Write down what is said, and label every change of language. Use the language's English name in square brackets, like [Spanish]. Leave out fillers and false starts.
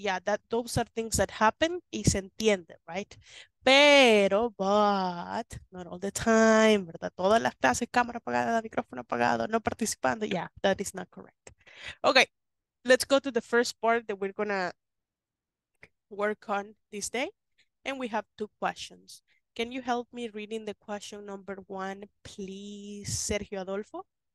[English] Yeah, those are things that happen [Spanish] y se entiende, [English] right? But not all the time, ¿verdad? [Spanish] Todas las clases, cámara apagada, micrófono apagado, no participando. [English] Yeah, that is not correct. Okay, let's go to the first part that we're gonna work on this day. And we have 2 questions. Can you help me reading the question number 1, please, Sergio Adolfo?